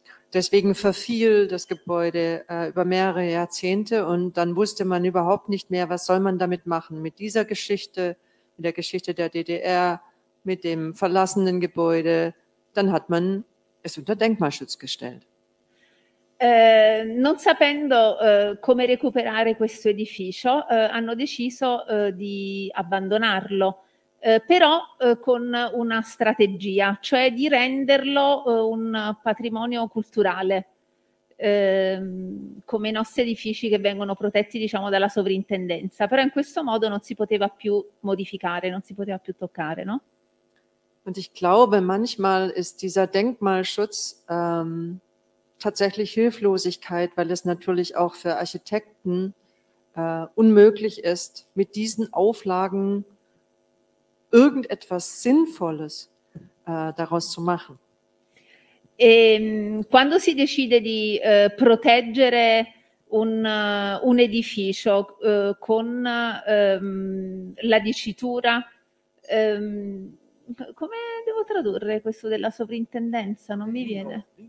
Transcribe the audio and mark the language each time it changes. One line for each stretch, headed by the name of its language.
German: Deswegen verfiel das Gebäude über mehrere Jahrzehnte und dann wusste man überhaupt nicht mehr, was soll man damit machen mit dieser Geschichte, mit der Geschichte der DDR, mit dem verlassenen Gebäude. Dann hat man es unter Denkmalschutz gestellt.
Italian: Non sapendo come recuperare questo edificio, hanno deciso di abbandonarlo. Però con una strategia, cioè di renderlo un patrimonio culturale, come i nostri edifici che vengono protetti, diciamo, dalla sovrintendenza. Però in questo modo non si poteva più modificare, non si poteva più toccare, no?
German: Und ich glaube, manchmal ist dieser Denkmalschutz tatsächlich Hilflosigkeit, weil es natürlich auch für Architekten unmöglich ist, mit diesen Auflagen irgendetwas Sinnvolles daraus zu machen.
Italian: E quando si decide di proteggere un edificio con la dicitura, come devo tradurre questo della sovrintendenza? Non mi viene.